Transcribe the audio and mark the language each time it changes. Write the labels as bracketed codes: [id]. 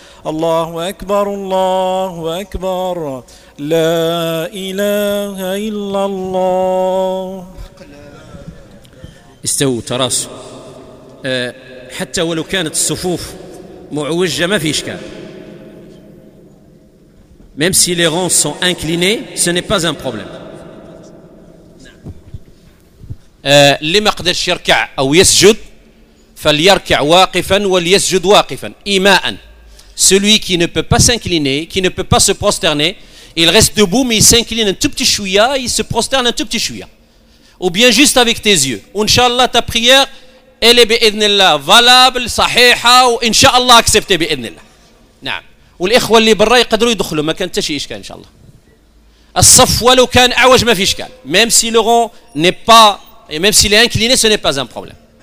[ar] الله أكبر، الله أكبر، لا إله إلا الله. استووا تراصوا، حتى ولو كانت الصفوف معوجة ما في إشكال. [fr] Même si les rangs sont inclinés, ce n'est pas un problème. [ar] اللي ما قدرش يركع أو يسجد فليركع واقفا وليسجد واقفا إيماء. [fr] Celui qui ne peut pas s'incliner, qui ne peut pas se prosterner, il reste debout mais il s'incline un tout petit chouïa, il se prosterne un tout petit chouïa. Ou bien juste avec tes yeux. Inch'Allah ta prière, elle est [ar] بإذن الله [fr] valable, [ar] صحيحة [fr] و Inch'Allah accepté بإذن الله. [ar] نعم. والإخوة اللي برا يقدروا يدخلوا، ما كان تشي إشكال Inch'Allah. الصف ولو كان أعوج ما في إشكال. [fr] Même si le rang n'est pas Et même s'il est incliné, ce n'est pas un problème.